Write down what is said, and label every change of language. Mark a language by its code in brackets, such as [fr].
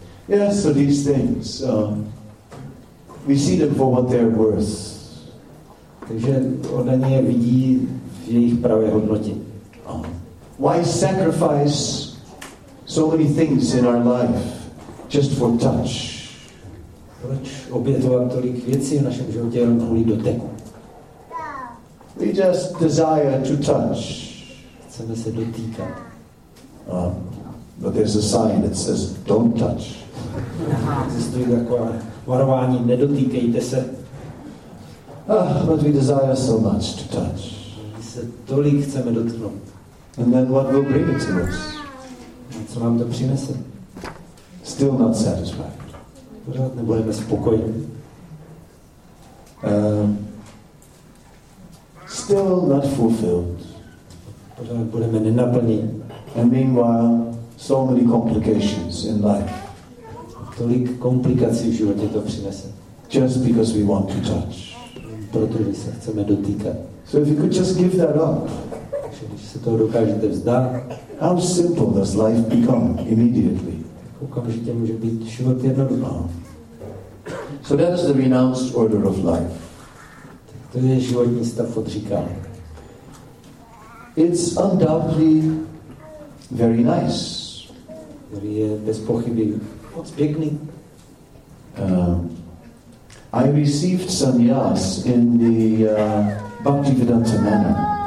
[en] Yes, yeah, so these things, we see them for what they're worth. [cs] Takže oddaní je vidí v jejich pravé hodnotě. [en] Why sacrifice so many things in our life just for touch? [cs] Proč obětovat tolik věcí v našem životě jenom kvůli doteku? [en] We just desire to touch. [cs] Chceme se dotýkat. [en] But there's a sign that says, don't touch. [cs] Existuje takové varování, nedotýkejte se. [en] But we desire so much to touch. [cs] My se tolik chceme dotknout. [en] And then what will bring it to us? [cs] A co nám to přinese? [en] Still not satisfied. [cs] Pořád nebudeme spokojeni. [en] Still not fulfilled. [cs] Pořád budeme nenaplněni. [en] And meanwhile, so many complications in life. [cs] Tolik komplikací v životě to přinese. [en] Just because we want to touch. [cs] Protože se chceme dotýkat. [en] So if you could just give that up. [cs] Když se toho dokážete vzdát. [en] How simple does life become immediately? [cs] Okamžitě může být život jednoduchý. [en] So that is the renounced order of life. [cs] Tak to je životní stav odříkání. [en] It's undoubtedly very nice. [cs] Který je bez pochyby moc pěkný. [en] I received sannyas in the Bhaktivedanta manor.